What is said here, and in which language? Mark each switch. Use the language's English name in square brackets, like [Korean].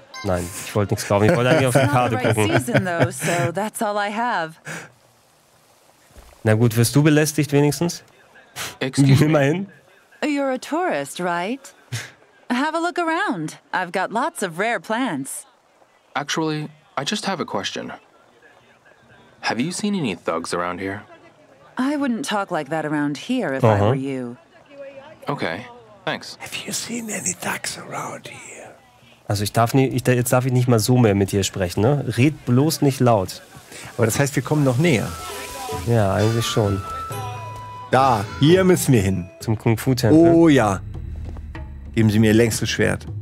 [German] Nein, ich wollte nichts glauben. Ich wollte eigentlich auf die Karte gucken. [English] It's not the right season, though, so that's all I have. [German] Na gut, wirst du belästigt wenigstens? Immerhin. [English] You're a tourist, right? Have a look around. I've got lots of rare plants. Actually, I just have a question. Have you seen any thugs around here? I wouldn't talk like that around here if I were you. Okay, thanks. Have you seen any thugs around here? [German] Also jetzt darf ich nicht mal so mehr mit dir sprechen, ne? Red bloß nicht laut. Aber das heißt, wir kommen noch näher. Ja, eigentlich schon. Da, hier müssen wir hin. Zum Kung-Fu-Tempel. Oh ja. Geben Sie mir ihr längstes Schwert.